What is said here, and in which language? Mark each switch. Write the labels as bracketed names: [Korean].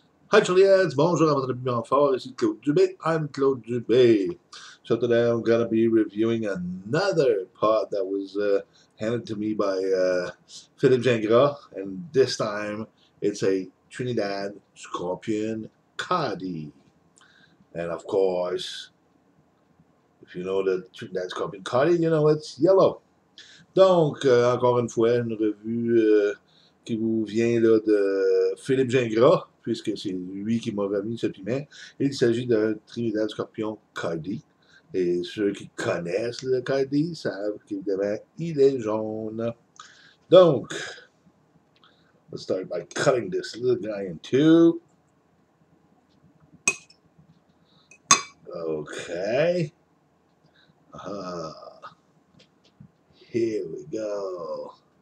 [French] Hi Juliette, bonjour à votre ami en fort, ici Claude Dubé. [English] I'm Claude Dubé. So today I'm going to be reviewing another pot that was handed to me by Philippe Gingras, and this time it's a Trinidad Scorpion Cardi. And of course, if you know the Trinidad Scorpion Cardi, you know it's yellow. [French] Donc, encore une fois, une revue qui vous vient là, de Philippe Gingras. Puisque c'est lui qui m'a remis ce piment. Il s'agit d'un Trinidad Scorpion Cardi. Et ceux qui connaissent le Cardi savent qu'évidemment, il est jaune. [English] Donc, let's start by cutting this little guy in two. Okay. Here we go.